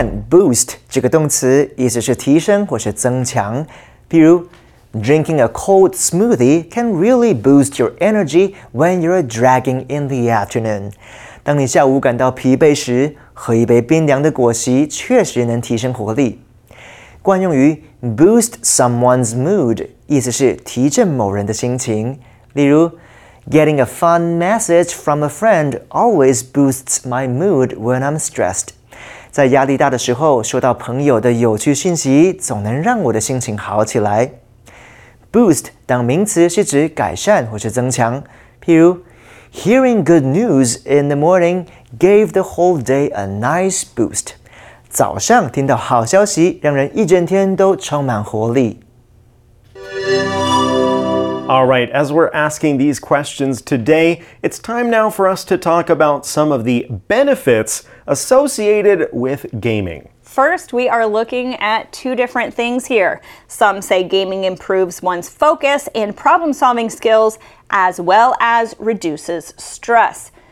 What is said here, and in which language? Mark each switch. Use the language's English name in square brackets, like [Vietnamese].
[English] Boost [Chinese] 这个动词意思是提升或是增强，比如 [English] drinking a cold smoothie can really boost your energy when you're dragging in the afternoon. [Chinese] 当你下午感到疲惫时，喝一杯冰凉的果昔确实能提升活力。惯用于 [English] boost someone's mood [Chinese] 意思是提振某人的心情，例如 [English] getting a fun message from a friend always boosts my mood when I'm stressed. [Chinese] 在压力大的时候，收到朋友的有趣信息，总能让我的心情好起来。 [English] Boost [Chinese] 当名词是指改善或是增强，譬如 [English] ，Hearing good news in the morning gave the whole day a nice boost。 [Chinese] 早上听到好消息，让人一整天都充满活力。 [English] All right, as we're asking these questions today, it's time now for us to talk about some of the benefits associated with gaming. First, we are looking at two different things here. Some say gaming improves one's focus and problem-solving skills, as well as reduces stress.